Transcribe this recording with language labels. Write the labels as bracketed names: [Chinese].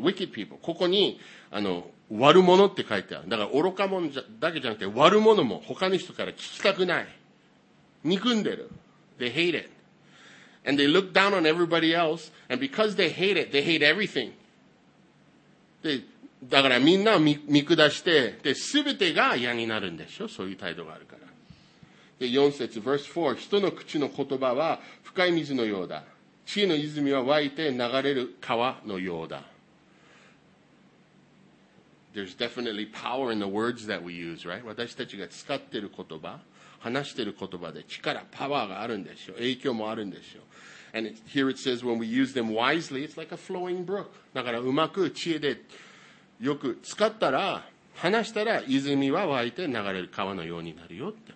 [English] Wicked people. [Japanese] ここに、悪者って書いてある。だから愚か者だけじゃなくて悪者も他の人から聞きたくない。憎んでる。 [English] They hate it. And they look down on everybody else. And because they hate it, they hate everything. [Japanese] で、だからみんな見下して、で、すべてが嫌になるんでしょ。そういう態度があるから。で4節、 [English] verse 4、 [Japanese] 人の口の言葉は深い水のようだ。知恵の泉は湧いて流れる川のようだ。 [English] There's definitely power in the words that we use, right? [Japanese] 私たちが使っている言葉、話している言葉で力、パワーがあるんでしょう。影響もあるんでしょう。 [English] And here it says, when we use them wisely, it's like a flowing brook. [Japanese] だからうまく知恵でよく使ったら、話したら泉は湧いて流れる川のようになるよって。